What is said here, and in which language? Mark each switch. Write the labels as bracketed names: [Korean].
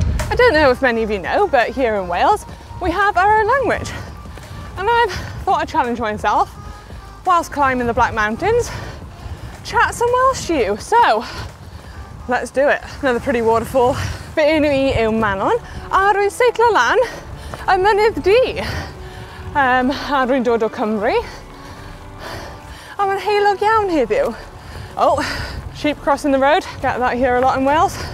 [English] I don't know if many of you know, but here in Wales we have our own language, and I've thought I'd challenge myself whilst climbing the Black Mountains, chat some Welsh to you. So let's do it. Another pretty waterfall. [Welsh] Fy enw I yw Manon, a rwy'n seiclo lan y mynydd di, a rwy'n dod o Cymru, a mae'n heilog iawn heddiw. [English] Oh, sheep crossing the road. Get that here a lot in Wales.